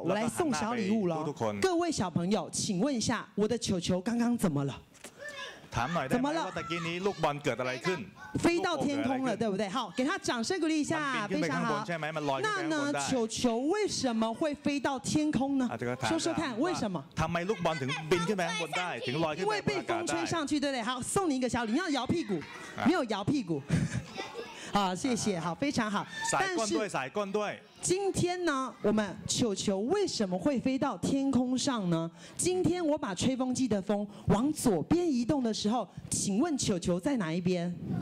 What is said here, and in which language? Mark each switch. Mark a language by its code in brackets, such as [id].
[zh] 我来送小礼物了，各位小朋友，请问一下，我的球球刚刚怎么了？怎么了？我 [th] ตะกี้นี้ลูกบอลเกิดอะไรขึ้น？ [zh] 飞到天空了，对不对？好，给他掌声鼓励一下，非常好。那呢，球球为什么会飞到天空呢？说说看，为什么？ [th] ทำไมลูกบอลถึงบินขึ้นไปข้างบนได้ถึงลอยขึ้นไป [zh] ได้？因为被风吹上去，对不对？好，送你一个小礼，你要摇屁股，没有摇屁股。好，谢谢，好，非常好。但是，甩棍队，今天呢，我们球球为什么会飞到天空上呢？今天我把吹风机的风往左边移动的时候，请问球球在哪一边？